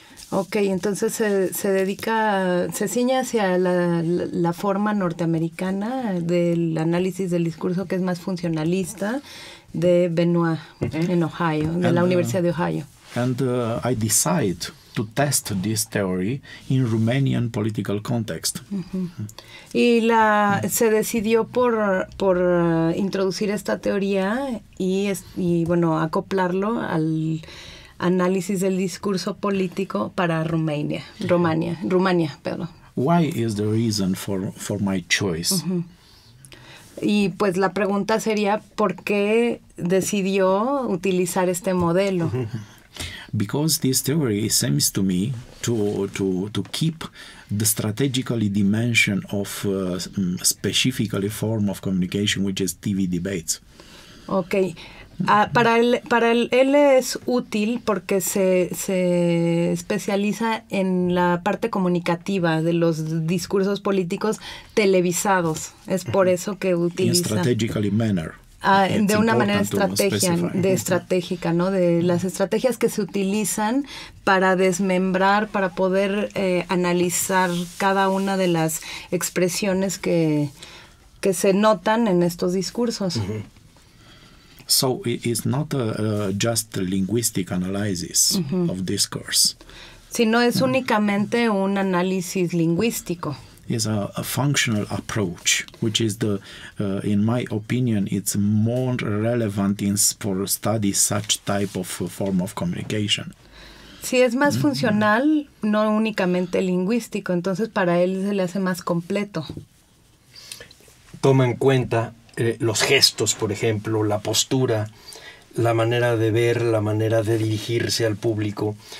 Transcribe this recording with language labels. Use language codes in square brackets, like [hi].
[es] Okay, entonces se dedica, se ciña hacia la forma norteamericana del análisis del discurso que es más funcionalista de Benoit en Ohio, de la Universidad de Ohio. [en] And I decide to test this theory in Romanian political context. [es] Y la se decidió por introducir esta teoría y bueno, acoplarlo al análisis del discurso político para Rumania. [en] Why is the reason for my choice? [es] Y pues la pregunta sería ¿por qué decidió utilizar este modelo? [en] Because this theory seems to me to keep the strategically dimension of specifically form of communication, which is TV debates. Okay. [es] Para él es útil porque se especializa en la parte comunicativa de los discursos políticos televisados. Es por eso que utiliza. [en] In strategically manner. [es] De una manera estratégica, ¿no? De las estrategias que se utilizan para desmembrar, para poder analizar cada una de las expresiones que se notan en estos discursos. Mm-hmm. [en] So it is not just a linguistic analysis of discourse. [es] Sino es únicamente un análisis lingüístico. [en] It's a functional approach, which is the, in my opinion, it's more relevant for study such type of form of communication. [es] Sí, es más funcional, no únicamente lingüístico. Entonces, para él se le hace más completo. Toma en cuenta los gestos, por ejemplo, la postura, la manera de ver, la manera de dirigirse al público.